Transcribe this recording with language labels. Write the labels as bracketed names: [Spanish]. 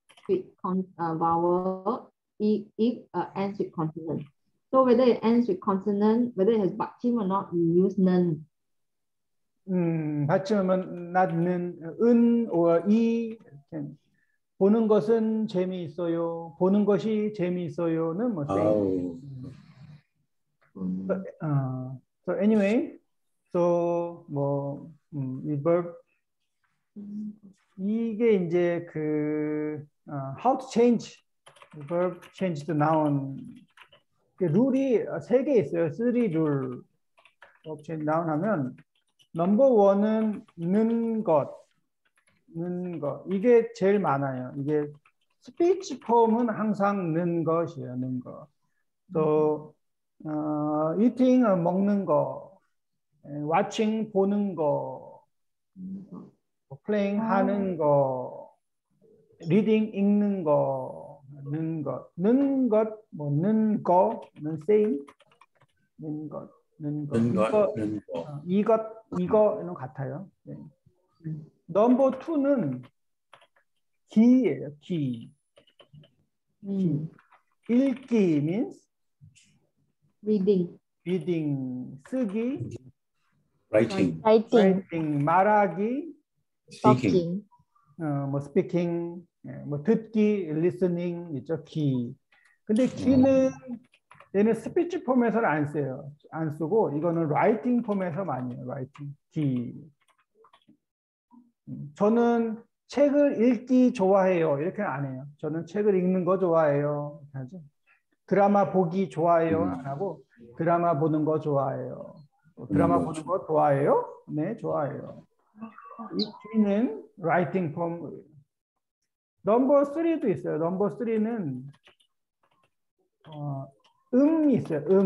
[English] with vowel, if ends with consonant. So whether it ends with consonant, whether it has batim or not, we use none. [Korean] 받침은 낫는 은 or 이 보는 것은 재미있어요. 보는 것이 재미있어요는 뭐 same. [English] Oh. So anyway, so 뭐 이 verb 이게 이제 그 how to change verb change the noun [Korean] 그 룰이 세개 있어요. 쓰리 룰 verb change noun 하면 넘버 원은 는 것. 는 것. 이게 제일 많아요. 이게 스피치 폼은 항상 는 것이에요. 는 것. So, eating, 먹는 거, watching, 보는 거, playing, 하는 거, reading, 읽는 거, 는 것, 는 것, 뭐, 는 거, 는 saying, 는 것, 는 것, 이것, 이거, 이런 것 같아요. 네. Number two는 key예요, key. 읽기 means [English] reading, reading, 쓰기, writing, writing, writing. 말하기, speaking, [Korean] 뭐 speaking, 뭐 듣기, listening, 있죠, key. 근데 key는 얘는 speech form에서 안 써요, 안 쓰고 이거는 writing form에서 많이 해요, writing, key. 저는 책을 읽기 좋아해요. 이렇게 안 해요. 저는 책을 읽는 거 좋아해요. 하죠. 드라마 보기 좋아해요. 안 하고 드라마 보는 거 좋아해요. 드라마 보는 거 좋아해요? 네, 좋아해요. 읽기는 writing form. Number 3도 있어요. Number 3는 있어요.